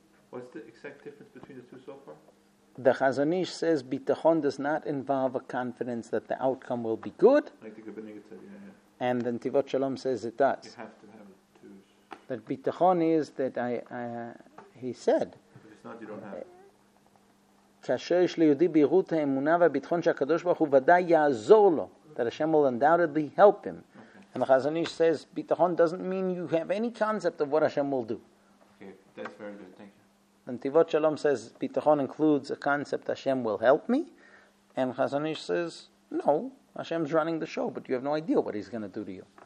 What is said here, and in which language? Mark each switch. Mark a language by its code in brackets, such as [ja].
[en] What's the exact difference between the two so far? The Chazon Ish says bitachon does not involve a confidence that the outcome will be good. Like the Gabbai Negev said, yeah. And then Nativot Shalom says it does. You have to have the two. That bitachon is that he said. If it's not, you don't have it. [he] כאשר יש ליהודי בהירות האמונה והביטחון שהקדוש ברוך הוא ודאי יעזור לו, [en] that Hashem will undoubtedly help him. Okay. And the Chazon Ish says, bitachon doesn't mean you have any concept of what Hashem will do. Okay, that's very good, thank you. And Nativot Shalom says, bitachon includes a concept Hashem will help me. And Chazon Ish says, no, Hashem's running the show, but you have no idea what he's going to do to you.